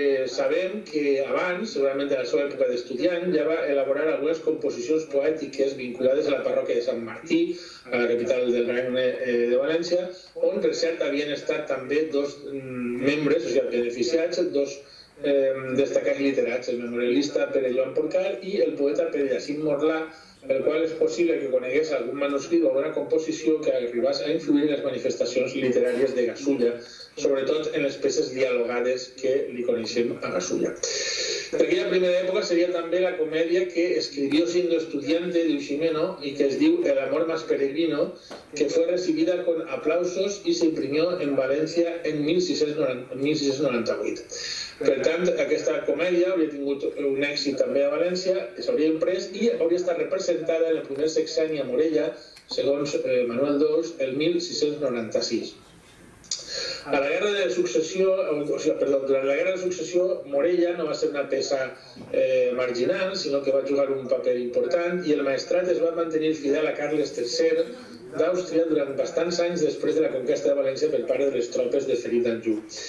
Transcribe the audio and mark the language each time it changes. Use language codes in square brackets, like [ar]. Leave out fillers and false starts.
[ca] sabem que abans, segurament de la seva època d'estudiant, ja va elaborar algunes composicions poètiques vinculades a la parròquia de Sant Martí, a la capital del Regne de València, on, per cert, havien estat també dos membres, o sigui, beneficiats, dos destacats literats, el memorialista Pere Joan Porcar i el poeta Pere Jacint Morlà, el qual és possible que conegués algun manuscrit o alguna composició que arribés a influir en les manifestacions literàries de Gasulla, sobretot en les peces dialogades que li coneixem a Gasulla. Aquella primera època seria també la comèdia que [es] escribió siendo estudiante de Uximeno [ca] i que es diu [es] El amor más peregrino, que fue recibida con aplausos y se imprimió en València en 1698. [ca] Per tant, aquesta comèdia hauria tingut un èxit també a València, s'hauria imprès i hauria estat representada en el primer sexenni a Morella, segons Manuel II, el 1696. A la Guerra de Successió, durant la Guerra de Successió, Morella no va ser una peça marginal, sinó que va jugar un paper important i el maestrat es va mantenir fidel a Carles III d'Àustria durant bastants anys després de la conquesta de València per part de les tropes de Felip d'Anjou.